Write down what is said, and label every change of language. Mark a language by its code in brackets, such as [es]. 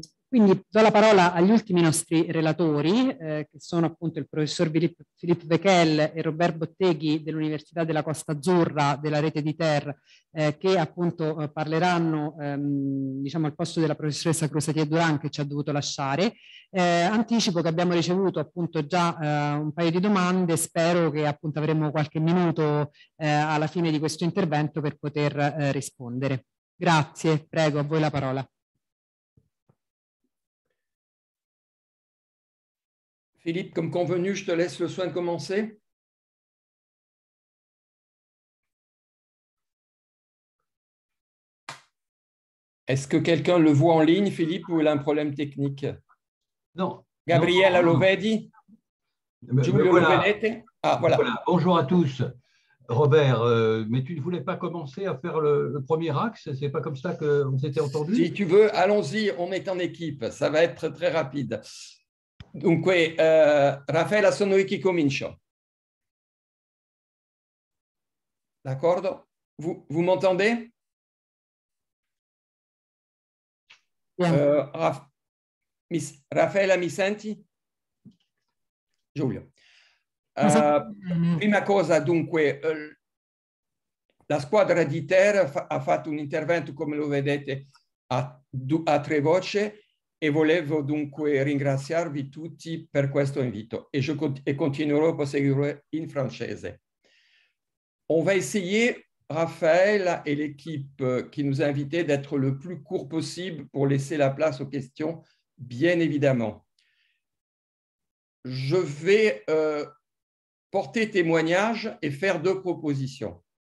[it] Quindi do la parola agli ultimi nostri relatori, che sono appunto il professor Philippe Bekel e Robert Botteghi dell'Università della Costa Azzurra della Rete di Ter, che appunto parleranno diciamo al posto della professoressa Crosatier Durand, che ci ha dovuto lasciare. Anticipo che abbiamo ricevuto appunto già un paio di domande, spero che appunto avremo qualche minuto alla fine di questo intervento per poter rispondere. Grazie, prego, a voi la parola. [fr] Philippe, comme convenu, je te laisse le soin de commencer. Est-ce que quelqu'un le voit en ligne, Philippe, ou il a un problème technique? Non. Gabriel Alovedi? Giulio Lovedete? Ah, voilà. Bonjour à tous. Robert, mais tu ne voulais pas commencer à faire le premier axe? Ce n'est pas comme ça qu'on s'était entendu? Si tu veux, allons-y, on est en équipe. Ça va être très rapide. [it] Donc, Raffaella, sono io che comincio. D'accordo? [fr] Vous m'entendez? [it] Raffaella, mi senti? Giulio. Prima cosa, dunque, la squadra di terra ha fatto un intervento, come lo vedete, a tre voci, e volevo dunque ringraziarvi tutti per questo invito. E continuerò a proseguire in francese. [fr] On va essayer, Raphaël et l'équipe qui nous a invités, d'être le plus court possible pour laisser la place aux questions, bien évidemment. Je vais porter témoignage et faire deux propositions.